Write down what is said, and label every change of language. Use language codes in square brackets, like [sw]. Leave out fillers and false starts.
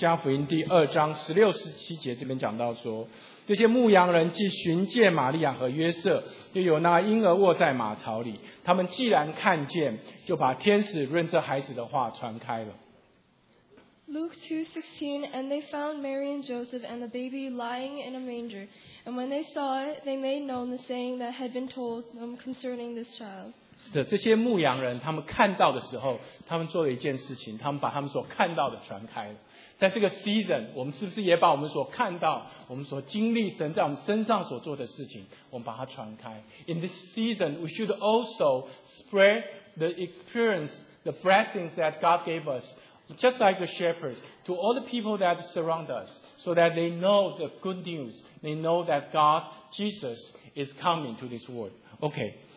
[zh] 16-17节这边讲到说，这些牧羊人既寻见玛利亚和约瑟，又有那婴儿卧在马槽里，他们既然看见，就把天使论这孩子的话传开了。 [en] Luke 2:16, and they found Mary and Joseph and the baby lying in a manger, and when they saw it, they made known the saying that had been told them concerning this child. [zh] 是的，这些牧羊人他们看到的时候，他们做了一件事情，他们把他们所看到的传开了。在这个 season， 我们是不是也把我们所看到、我们所经历神在我们身上所做的事情，我们把它传开 [en] ？In this season, we should also spread the experience, the blessings that God gave us, just like the shepherds, to all the people that surround us, so that they know the good news. They know that God, Jesus, is coming to this world. Okay.